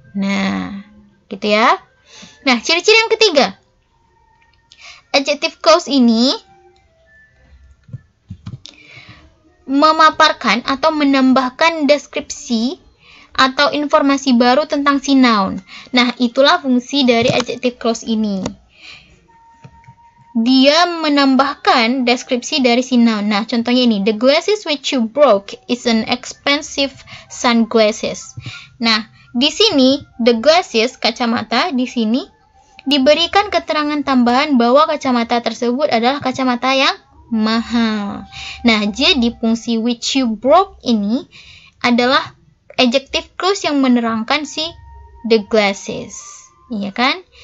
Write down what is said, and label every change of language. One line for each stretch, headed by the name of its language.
Indonesian: Nah, gitu ya. Nah, ciri-ciri yang ketiga, adjective clause ini memaparkan atau menambahkan deskripsi atau informasi baru tentang si noun. Nah, itulah fungsi dari adjective clause ini. Dia menambahkan deskripsi dari si noun. Nah, contohnya ini,
English: the glasses which you broke is an expensive sunglasses.
Indonesian: Nah, di sini, the glasses, kacamata, di sini diberikan keterangan tambahan bahwa kacamata tersebut adalah kacamata yang mahal. Nah, jadi fungsi
English: which you broke
Indonesian: ini adalah adjective clause yang menerangkan si the glasses. Iya kan?